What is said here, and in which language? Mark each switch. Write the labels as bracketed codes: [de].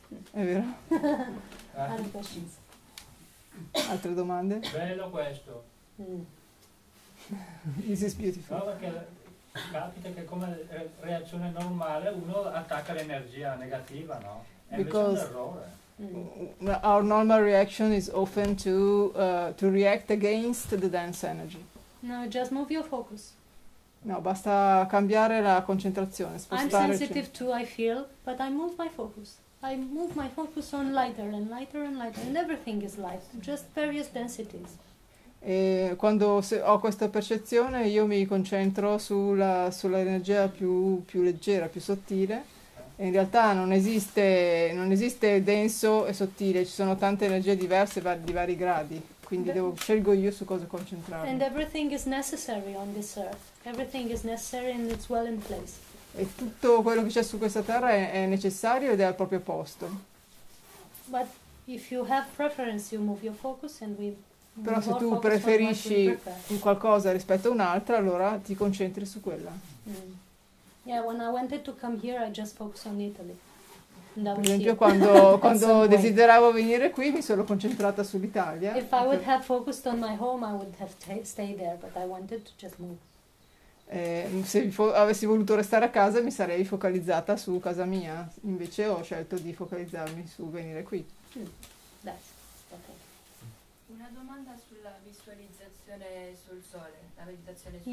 [it] È vero. [en] Other questions? [it] Altre domande? Bello questo. [en] This is beautiful. [it] Prova che capita che come reazione normale uno attacca l'energia negativa, no? È [en] Because [it] un errore. [en] Our normal reaction is often to react against the dense energy. No, just move your focus. [it] No, basta cambiare la concentrazione, spostare. [en] I'm sensitive too, I feel, but I move my focus. I move my focus on lighter and lighter and lighter, and everything is light, just various densities. [it] E quando ho questa percezione, io mi concentro sull'energia più leggera, più sottile. In realtà non esiste denso e sottile, ci sono tante energie diverse di vari gradi, quindi scelgo io su cosa concentrarmi. [en] And everything is necessary on this earth. Everything is necessary and it's well in place. [it] E tutto quello che c'è su questa terra è necessario ed è al proprio posto. [en] But if you have preference you move your focus and we [it] Però se tu preferisci un qualcosa rispetto a un'altra, allora ti concentri su quella. [en] Yeah, when I wanted to come here, I just focused on Italy. [it] Per esempio, quando desideravo venire qui, mi sono concentrata sull'Italia. [en] If I would have focused on my home, I would have stayed there, but I wanted to just move. [it] Se avessi voluto restare a casa, mi sarei focalizzata su casa mia. Invece ho scelto di focalizzarmi su venire qui. [en] That's okay. [it] Una domanda sulla visualizzazione sul sole, la meditazione sul